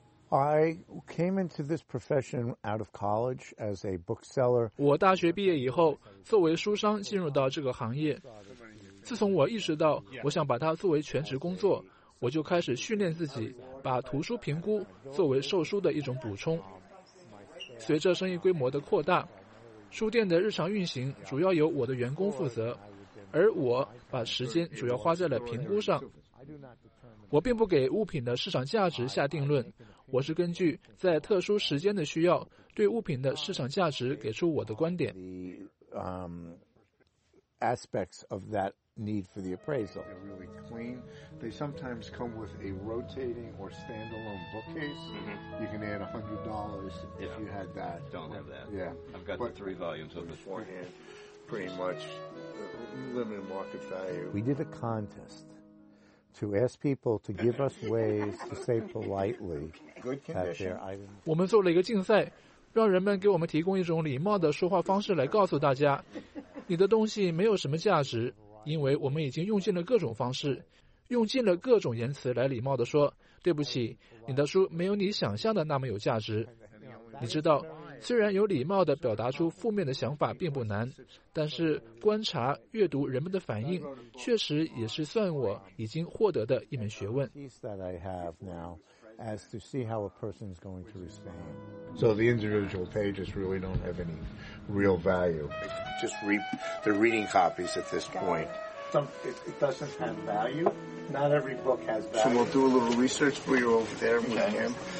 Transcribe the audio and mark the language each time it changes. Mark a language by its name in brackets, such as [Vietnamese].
[English] I came into this profession out of college as a bookseller. [Chinese] 我大学毕业以后，作为书商进入到这个行业。自从我意识到我想把它作为全职工作，我就开始训练自己，把图书评估作为售书的一种补充。随着生意规模的扩大，书店的日常运行主要由我的员工负责，而我把时间主要花在了评估上。我并不给物品的市场价值下定论，我是根据在特殊时间的需要对物品的市场价值给出我的观点。 [English] aspects of that need for the appraisal. They're really clean. They sometimes come with a rotating or standalone bookcase. Mm-hmm. You can add $100 if you had that. Don't have that. Yeah. I've got the 3 volumes of this beforehand. Pretty much limited market value. We did a contest. To ask people to give us ways to say politely that their items. [Chinese] 我们做了一个竞赛，让人们给我们提供一种礼貌的说话方式来告诉大家，你的东西没有什么价值，因为我们已经用尽了各种方式，用尽了各种言辞来礼貌的说，对不起，你的书没有你想象的那么有价值。你知道，虽然有礼貌地表达出负面的想法并不难，但是观察阅读人们的反应确实也是算我已经获得的一门学问。 [English] As to see how a person is going to respond. So the individual pages really don't have any real value. Just read the reading copies at this point. It doesn't have value. Not every book has value. So we'll do a little research for you over there with him.